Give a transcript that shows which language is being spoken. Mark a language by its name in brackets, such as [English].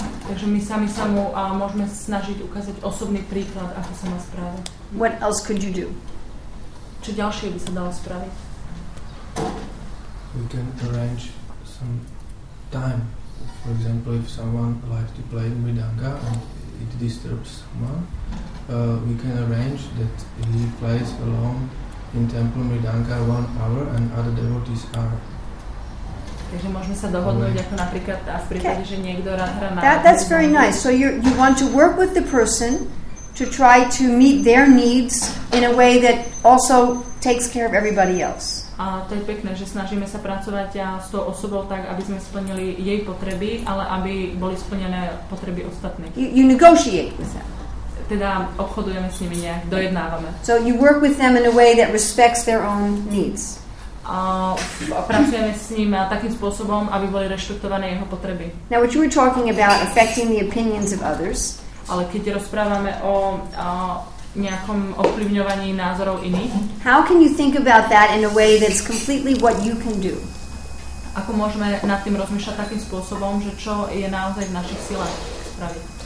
[Slovak] Takže my sami sa mu môžeme snažiť ukázať osobný príklad, ako sa má spraviť. [English] What else could you do? [Slovak] Čo ďalšie by sa dalo spraviť? [English] We can arrange some time. For example, if someone likes to play mridanga and it disturbs someone, we can arrange that he plays alone in temple mridanga 1 hour and other devotees are. [Slovak] Takže môžeme sa dohodnúť, ako napríklad v prípade, že niekto rád hrá na. [English] That's very nice. So you want to work with the person to try to meet their needs in a way that also takes care of everybody else. [Slovak] A to je pekné, že snažíme sa pracovať s tou osobou tak, aby sme splnili jej potreby, ale aby boli splnené potreby ostatných. [English] You negotiate with them. [Slovak] Teda obchodujeme s nimi, nejak dojednávame. [English] So you work with them in a way that respects their own needs. [Slovak] A pracujeme s ním takým spôsobom, aby boli rešpektované jeho potreby. [English] Now what you were talking about affecting the opinions of others. [Slovak] Ale keď rozprávame o nejakom ovplyvňovaní názorov iných. [English] How can you think about that in a way that's completely what you can do? [Slovak] Ako môžeme nad tým rozmýšľať takým spôsobom, že čo je naozaj v našich silách spraviť?